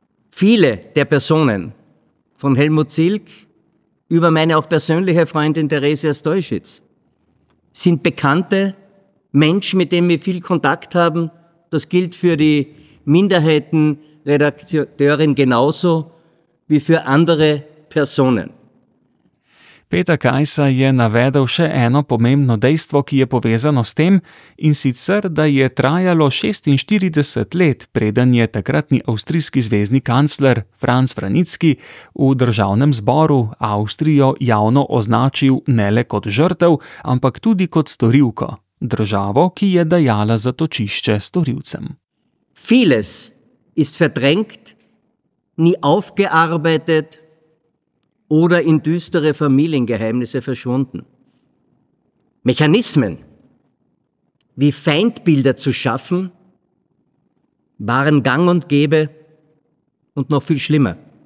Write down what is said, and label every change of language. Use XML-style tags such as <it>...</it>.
<de>Viele der Personen, von Helmut Zilk über meine auch persönliche Freundin Theresia Stolschitz, sind bekannte Menschen, mit denen wir viel Kontakt haben. Das gilt für die Minderheitenredakteurin genauso wie für andere Personen.</de> <sl>Peter Kajsa je navedel še eno pomembno dejstvo, ki je povezano s tem, in sicer, da je trajalo 46 let, preden je takratni avstrijski zvezni kancler Franz Franicki v državnem zboru Avstrijo javno označil ne le kot žrtev, ampak tudi kot storilko, državo, ki je dajala zatočišče storilcem.</sl> <de>Vieles ist verdrängt, nie aufgearbeitet, oder in düstere Familiengeheimnisse verschwunden. Mechanismen, wie Feindbilder zu schaffen, waren gang und gäbe und noch viel schlimmer.</de>